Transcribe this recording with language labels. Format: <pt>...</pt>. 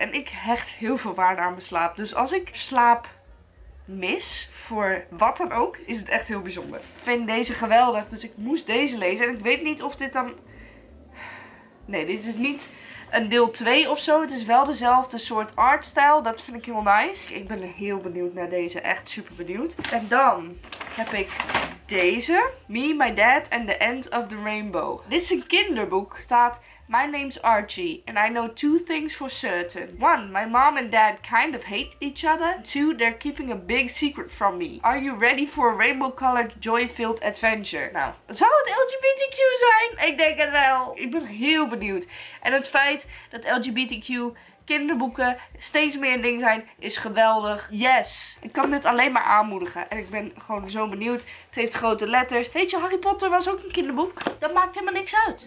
<nl>En ik hecht heel veel waarde aan mijn slaap. Dus als ik slaap mis, voor wat dan ook, is het echt heel bijzonder. Ik vind deze geweldig, dus ik moest deze lezen. En ik weet niet of dit dan, nee, dit is niet een deel 2 of zo. Het is wel dezelfde soort artstijl. Dat vind ik heel nice. Ik ben heel benieuwd naar deze. Echt super benieuwd. En dan heb ik deze. Me, My Dad and the End of the Rainbow. Dit is een kinderboek. Staat,</nl> <en>my name's Archie and I know 2 things for certain. 1, my mom and dad kind of hate each other. 2, they're keeping a big secret from me. Are you ready for a rainbow colored joy filled adventure?</en> <nl>Nou, zou het LGBTQ zijn? Ik denk het wel. Ik ben heel benieuwd. En het feit dat LGBTQ kinderboeken steeds meer een ding zijn, is geweldig. Yes! Ik kan dit alleen maar aanmoedigen. En ik ben gewoon zo benieuwd. Het heeft grote letters. Weet je, Harry Potter was ook een kinderboek. Dat maakt helemaal niks uit.</nl>